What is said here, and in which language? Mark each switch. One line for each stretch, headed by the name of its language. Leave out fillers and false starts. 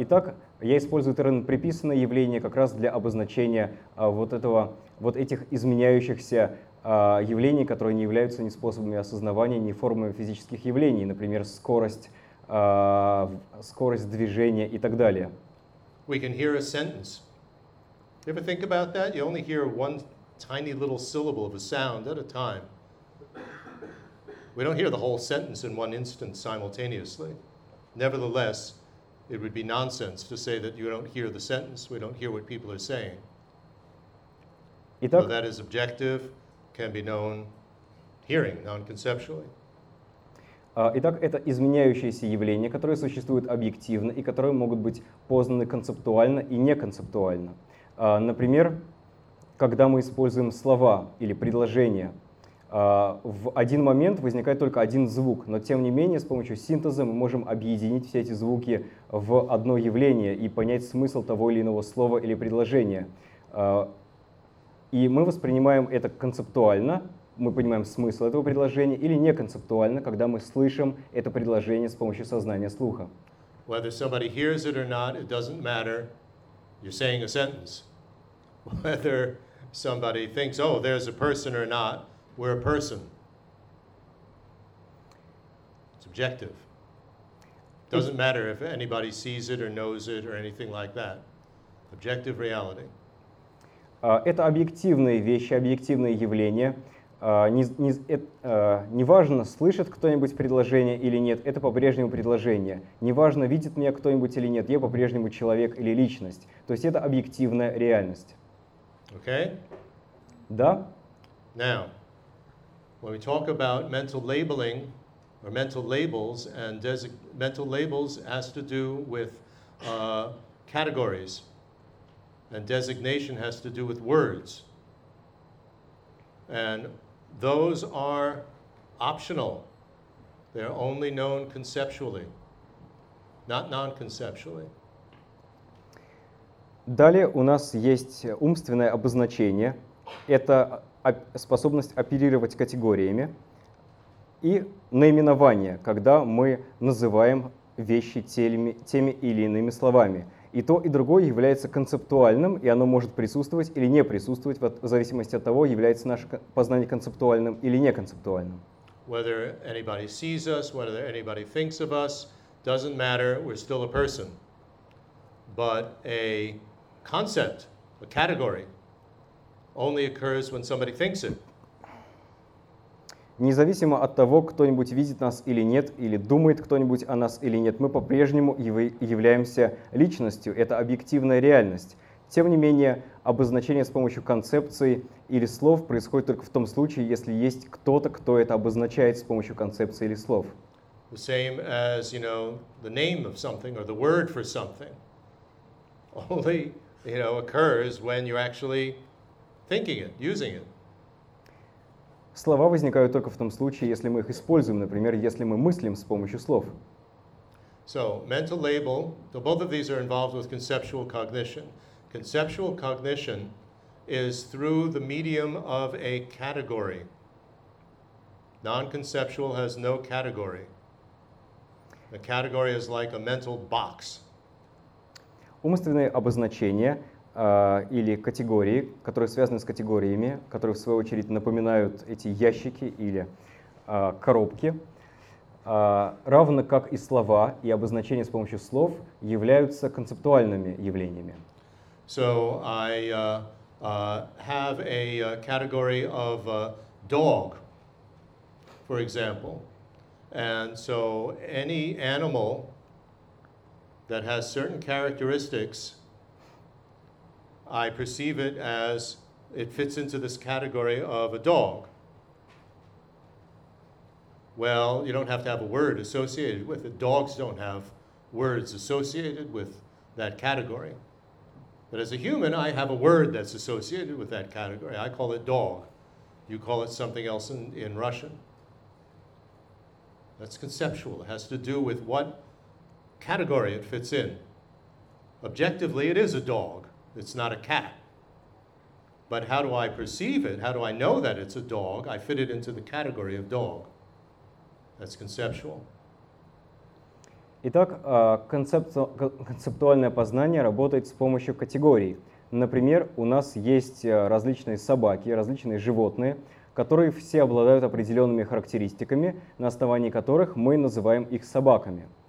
Russian: Итак, я использую термин приписанное явление как раз для обозначения вот этих изменяющихся явлений, которые не являются ни способами осознавания, ни формами физических явлений, например, скорость движения и так далее.
English: We can hear a sentence. You ever think about that? You only hear one tiny little syllable of a sound at a time. We don't hear the whole sentence in one instant simultaneously. Nevertheless, it would be nonsense to say that you don't hear the sentence, we don't hear what people are saying.
Russian: Итак,
English: so that is objective, can be known hearing, non-conceptually.
Russian: Итак, это изменяющиеся явления, которые существуют объективно и которые могут быть познаны концептуально и неконцептуально. Например, когда мы используем слова или предложения, в один момент возникает только один звук, но тем не менее с помощью синтеза мы можем объединить все эти звуки в одно явление и понять смысл того или иного слова или предложения. И мы воспринимаем это концептуально, мы понимаем смысл этого предложения, или неконцептуально, когда мы слышим это предложение с помощью сознания слуха.
English: Whether somebody hears it or not, it doesn't matter. You're saying a sentence. Whether somebody thinks, oh, there's a person or not, we're a person. It's objective. Doesn't matter if anybody sees it or knows it or anything like that. Objective reality.
Russian: Это объективные вещи, объективные явления. Неважно, слышит кто-нибудь предложение или нет, это по-прежнему предложение. Неважно, видит меня кто-нибудь или нет, я по-прежнему человек или личность. То есть это объективная реальность.
English: Okay?
Russian: Да?
English: Now, when we talk about mental labeling or mental labels, and mental labels has to do with categories, and designation has to do with words, and those are optional. They're only known conceptually, not non-conceptually.
Russian: Далее у нас есть умственное обозначение. Это способность оперировать категориями и наименование, когда мы называем вещи теми или иными словами. И то, и другое является концептуальным, и оно может присутствовать или не присутствовать, в зависимости от того, является наше познание концептуальным или неконцептуальным.
English: Whether anybody sees us, whether anybody thinks of us, doesn't matter, we're still a person. but a concept, a category, only occurs when somebody thinks it.
Russian: Независимо от того, кто-нибудь видит нас или нет, или думает кто-нибудь о нас или нет, мы по-прежнему являемся личностью. Это объективная реальность. Тем не менее, обозначение с помощью концепций или слов происходит только в том случае, если есть кто-то, кто это обозначает с помощью концепций или слов.
English: The same as, you know, the name of something or the word for something only, you know, occurs when you're actually thinking it, using it.
Russian: Слова возникают только в том случае, если мы их используем, например, если мы мыслим с помощью слов.
English: So, mental label, so both of these are involved with conceptual cognition. Conceptual cognition is through the medium of a category. Non-conceptual has no category. A category is like a mental box.
Russian: Умственные обозначения или категории, которые связаны с категориями, которые в свою очередь напоминают эти ящики или коробки, равно как и слова и обозначения с помощью слов являются концептуальными явлениями.
English: So I have a category of a dog, for example. And so any animal that has certain characteristics, I perceive it as it fits into this category of a dog. Well, you don't have to have a word associated with it. Dogs don't have words associated with that category. But as a human, I have a word that's associated with that category. I call it dog. You call it something else in Russian. That's conceptual. It has to do with what category it fits in. Objectively, it is a dog. It's not a cat. But how do I perceive it? How do I know that it's a dog? I fit it into the category of dog. That's conceptual.
Russian: Итак, концептуальное познание работает с помощью категорий. Например, у нас есть различные собаки, различные животные, которые все обладают определенными характеристиками, на основании которых мы называем их собаками.